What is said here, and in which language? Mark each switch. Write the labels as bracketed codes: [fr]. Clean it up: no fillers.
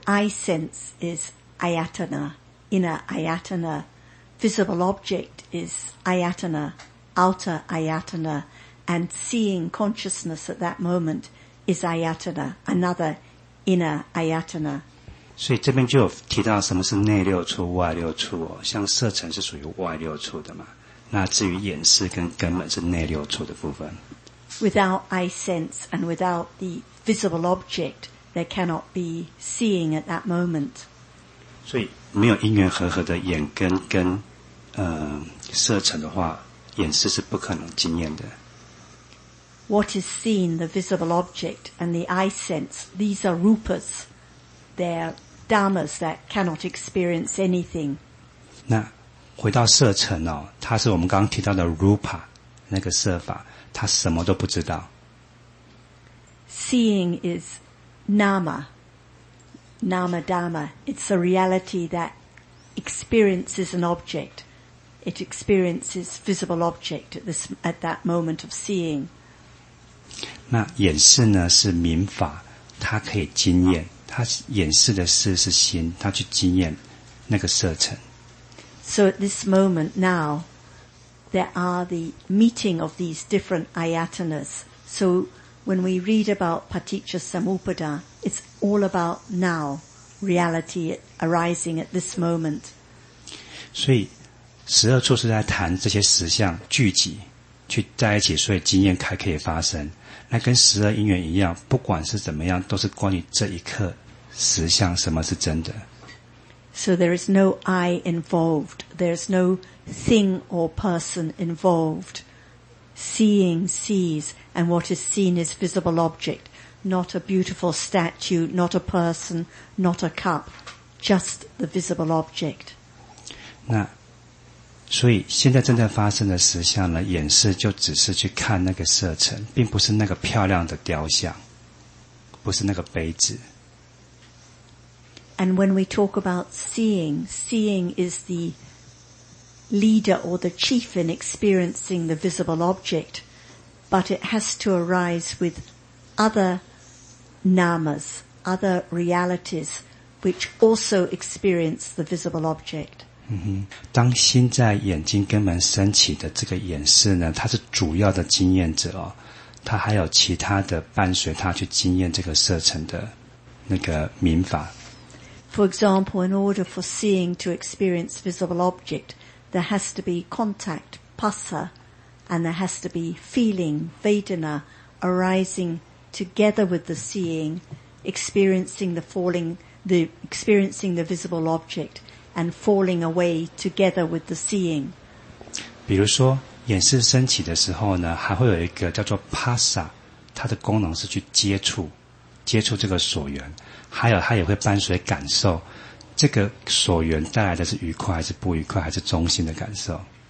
[en] eye sense is ayatana, inner ayatana, visible object is ayatana, outer ayatana, and seeing consciousness at that moment is ayatana, another inner ayatana. [zh] 所以这边就有提到什么是内六处、外六处哦。像色尘是属于外六处的嘛，那至于眼识跟根本是内六处的部分。 [en] Without eye sense and without the visible object, there cannot be seeing at that moment. [zh] 所以没有因缘和合的眼根跟色尘的话，眼识是不可能经验的。 [en] what is seen, the visible object, and the eye sense, these are rupas. They're dhammas that cannot experience anything. [zh] 那回到色尘哦，它是我们刚刚提到的 rupa 那个色法，它什么都不知道。 [en] Seeing is nama, nama dhamma. It's a reality that experiences an object. It experiences visible object at that moment of seeing. [zh] 那眼识呢是明法，它可以经验。它眼识的识是心，它去经验那个色尘。 [en] So at this moment now, there are the meeting of these different ayatanas. So when we read about paticca samuppada, it's all about now, reality arising at this moment. [zh] 所以十二处是在谈这些实相聚集去在一起，所以经验才可以发生。那跟十二因缘一样，不管是怎么样，都是关于这一刻实相什么是真的。 [en] So there is no I involved. There is no thing or person involved. Seeing sees, and what is seen is visible object. Not a beautiful statue, not a person, not a cup. Just the visible object. [zh] 那，所以现在正在发生的实相呢，眼识就只是去看那个色尘，并不是那个漂亮的雕像，不是那个杯子。 [en] And when we talk about seeing, seeing is the leader or the chief in experiencing the visible object, but it has to arise with other namas, other realities, which also experience the visible object. [zh] 当心在眼睛根本升起的这个眼识呢，它是主要的经验者哦，它还有其他的伴随它去经验这个色尘的那个明法。 [en] For example, in order for seeing to experience visible object, there has to be contact, passa, and there has to be feeling, vedana, arising together with the seeing, experiencing the visible object, and falling away together with the seeing. [zh] 比如说，眼识升起的时候呢，还会有一个叫做 passa， 它的功能是去接触这个所缘。还有它也会伴随感受，这个所缘带来的是愉快还是不愉快，还是中心的感受。